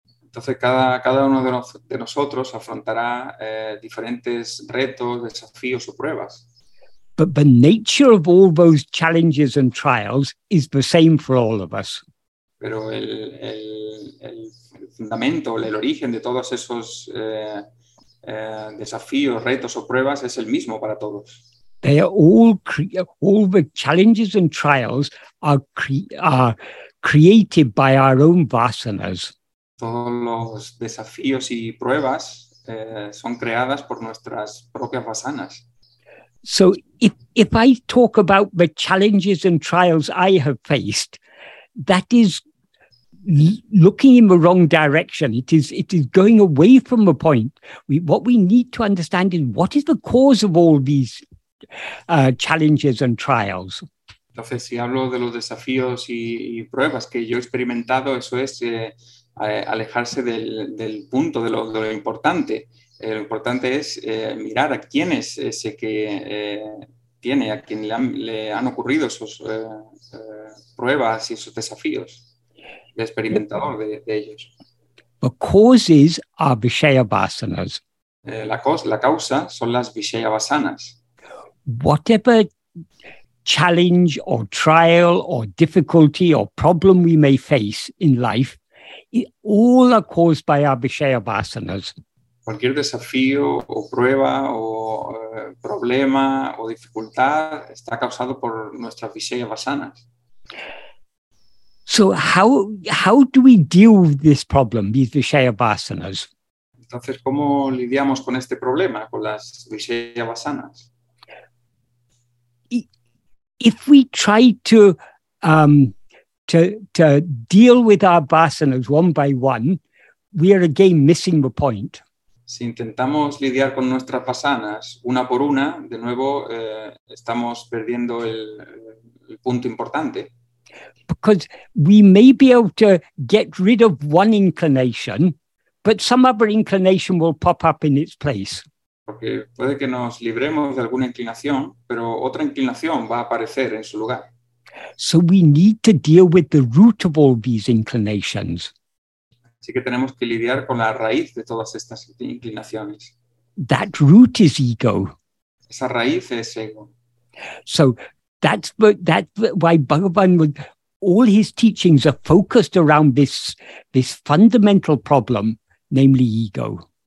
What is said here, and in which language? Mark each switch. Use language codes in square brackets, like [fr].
[es] Entonces cada uno de nosotros afrontará diferentes retos, desafíos o pruebas. [en] But the nature of all those challenges and trials is the same for all of us. [es] Pero el fundamento, el origen de todos esos desafíos, retos o pruebas es el mismo para todos. [en] They are all the challenges and trials are created by our own vasanas. [es] Todos los desafíos y pruebas son creadas por nuestras propias vasanas. [en] So if I talk about the challenges and trials I have faced, that is looking in the wrong direction. It is going away from the point. What we need to understand is what is the cause of all these challenges and trials. [es] Entonces, si hablo de los desafíos y pruebas que yo he experimentado, eso es alejarse del punto de lo importante. Lo importante es mirar a quién es ese que tiene, a quien le han ocurrido esos pruebas y esos desafíos, el experimentador de ellos. [en] The causes are vishaya vasanas. [es] La causa son las vishaya vasanas. [en] Whatever challenge or trial or difficulty or problem we may face in life, all are caused by our vishaya vasanas. [es] Cualquier desafío o prueba o problema o dificultad está causado por nuestras vishaya vasanas. [en] So how do we deal with this problem, these vishaya vasanas? [es] Entonces, ¿cómo lidiamos con este problema, con las vishaya vasanas? [en] If we try to deal with our vasanas one by one, we are again missing the point. [es] Si intentamos lidiar con nuestras vasanas una por una, de nuevo estamos perdiendo el punto importante. [en] Because we may be able to get rid of one inclination, but some other inclination will pop up in its place. [es] Porque puede que nos libremos de alguna inclinación, pero otra inclinación va a aparecer en su lugar. [en] So we need to deal with the root of all these inclinations. [es] Así que tenemos que lidiar con la raíz de todas estas inclinaciones. [en] That root is ego. [es] Esa raíz es ego. [en] So that's why Bhagavan would, all his teachings are focused around this fundamental problem, namely ego.